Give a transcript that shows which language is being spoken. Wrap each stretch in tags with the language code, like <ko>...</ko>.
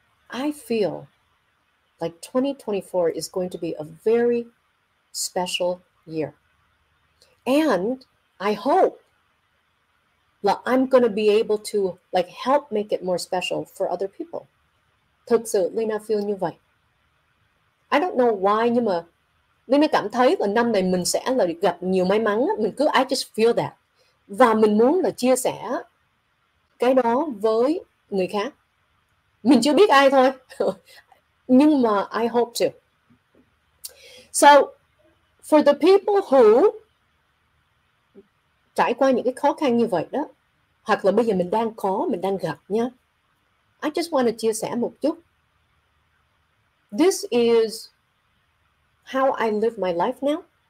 <en>I feel like 2024 is going to be a very special year. And I hope that I'm going to be able to like help make it more special for other people.</en> <vi>Thực sự, Lena feel như vậy.</vi> <en>I don't know why,</en> <vi>nhưng mà Lena cảm thấy là năm này mình sẽ là gặp nhiều may mắn. Mình cứ,</vi> <en>I just feel that.</en> <vi>Và mình muốn là chia sẻ cái đó với người khác. Mình chưa biết ai thôi. Nhưng mà</vi> <en>I hope to. So, for the people</en> <vi>trải qua những cái khó khăn như vậy đó, hoặc là bây giờ mình đang có, mình đang gặp nha.</vi> <en>I just want to</en> <vi>chia sẻ một chút.</vi> <en>This is how I live my life now.</en>